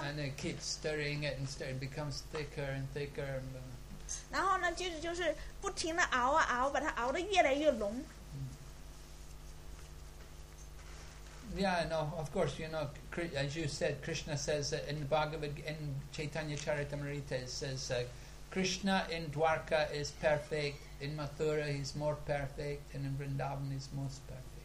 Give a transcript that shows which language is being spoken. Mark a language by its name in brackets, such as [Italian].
[English] And they keep stirring it, and stir, it becomes thicker and thicker. [Chinese] 然后呢，接着就是不停的熬啊熬，把它熬得越来越浓。 [English] Yeah, no, of course, you know, as you said, Krishna says in Bhagavad, in Chaitanya Charitamrita, it says Krishna in Dwarka is perfect, in Mathura he's more perfect, and in Vrindavan he's most perfect.